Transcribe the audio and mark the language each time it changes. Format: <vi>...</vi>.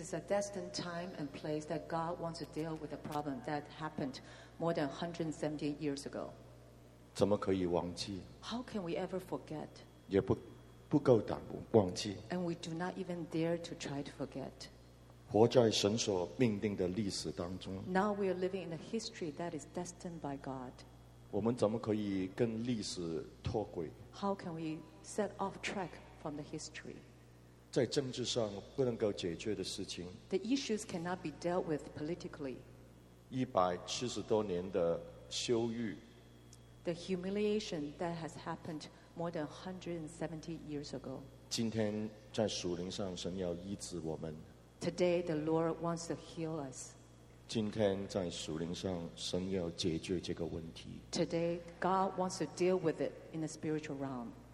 <en>is a destined time and place that God wants to deal with a problem that happened more than 170 years ago.</en> <zh>怎么可以忘记？</zh> <en>How can we ever forget?</en> <zh>不够胆忘记。</zh> <en>And we do not even dare to try to forget.</en> <zh>活在神所命定的历史当中。</zh> <en>Now we are living in a history that is destined by God.</en> <zh>我们怎么可以跟历史脱轨？</zh> <en>How can we set off track from the history?</en> <zh>在政治上不能够解决的事情。</zh> <en>The issues cannot be dealt with politically.</en> <zh>170多年的羞辱。</zh> <en>The humiliation that has happened more than 170 years ago.</en> <zh>今天在属灵上神要医治我们。</zh> <en>Today the Lord wants to heal us.</en> <zh>今天在属灵上神要解决这个问题。</zh> <en>Today God wants to deal with it in the spiritual realm.</en>